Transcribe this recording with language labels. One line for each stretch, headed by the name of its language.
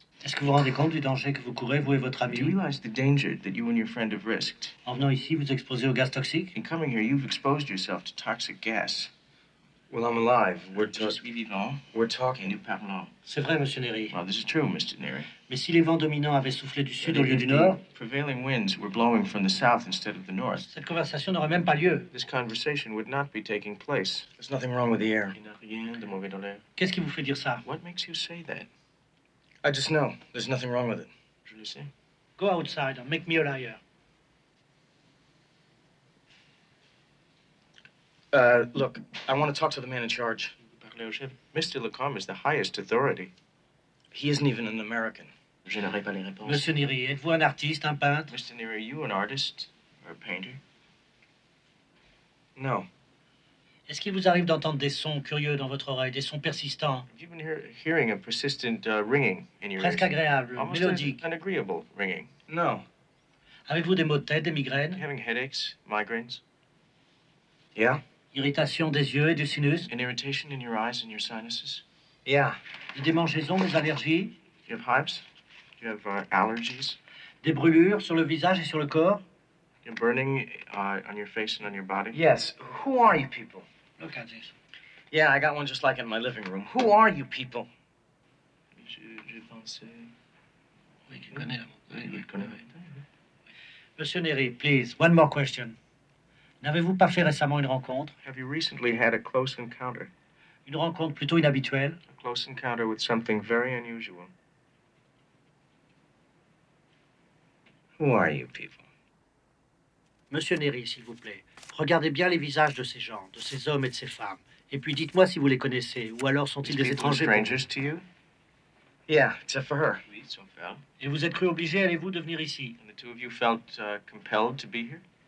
French: Est-ce que vous rendez compte du danger que vous courez, vous et votre ami?
English: Do you realize the danger that you and your friend have risked?
French: En venant ici, vous exposez au gaz toxique?
English: In coming here, you've exposed yourself to toxic gas. Well, I'm alive. We're talking.
French: Nous parlons. C'est vrai, Monsieur Neary.
English: Well, this is true, Mr. Neary.
French: Mais si les vents dominants avaient soufflé du sud au lieu du nord?
English: Prevailing winds were blowing from the south instead of the north.
French: Cette conversation n'aurait même pas lieu.
English: This conversation would not be taking place. There's nothing wrong with the air.
French: Il n'y a rien de mauvais dans l'air. Qu'est-ce qui vous fait dire ça?
English: What makes you say that? I just know. There's nothing wrong with it.
French: Je le sais.
English: Go outside and make me a liar. Look, I want to talk to the man in charge. Mr. Lacombe is the highest authority. He isn't even an American.
French: Je n'aurai pas les réponses. Monsieur Neary, êtes-vous un artiste, un peintre?
English: Mr. Neary, are you an artist or a painter? No.
French: Est-ce qu'il vous arrive d'entendre des sons curieux dans votre oreille, des sons persistants?
English: Have you been hearing a persistent ringing in your
French: ears? Presque agréable, mélodique.
English: An agreeable ringing. No.
French: Avez-vous des maux de tête, des migraines?
English: Having headaches, migraines. Yeah.
French: Irritation des yeux et du sinus.
English: An irritation in your eyes and your sinuses. Yeah.
French: Des démangeaisons, des allergies.
English: You have hives. You have allergies.
French: Des brûlures sur le visage et sur le corps.
English: You're burning on your face and on your body. Yes. Who are you people? Look at this. Yeah, I got one just like in my living room. Who are you people?
French: Je pensais. Oui, je connais. Oui, je connais. Monsieur Neary,
English: please, one more question.
French: N'avez-vous pas fait récemment une rencontre?
English: Have you recently had a close encounter?
French: Une rencontre plutôt inhabituelle.
English: A close encounter with something very unusual. Who are you people?
French: Monsieur Neary, s'il vous plaît, regardez bien les visages de ces gens, de ces hommes et de ces femmes, et puis dites-moi si vous les connaissez, ou alors sont-ils des étrangers?
English: Strangers to you? Yeah, except for her.
French: Oui, son père. Je vous ai cru obligé, allez-vous de venir ici?
English: And the two of you felt compelled to be here?